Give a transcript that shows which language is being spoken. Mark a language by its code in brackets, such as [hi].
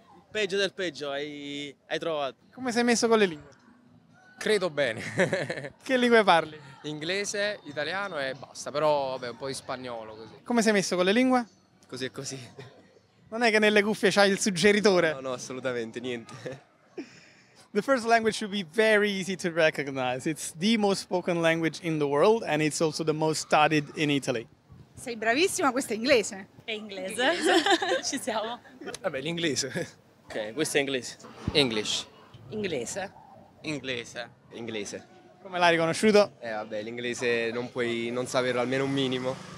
[it] Peggio del peggio, hai trovato. Come sei messo con le lingue? Credo bene. Che lingue parli? Inglese, italiano e basta, però vabbè, un po' di spagnolo così. Come sei messo con le lingue? Così e così. Non è che nelle cuffie c'hai il No, suggeritore? no, no, assolutamente, niente. [en] The first language should be very easy to recognize. It's the most spoken language in the world and it's also the most studied in Italy. [it] Sei bravissima, questo è inglese. È inglese. Ci siamo. Vabbè, l'inglese. Ok, questo è inglese. [en] English. [it] Inglese. Inglese. Inglese. Come l'hai riconosciuto? Vabbè, l'inglese non puoi non saperlo almeno un minimo.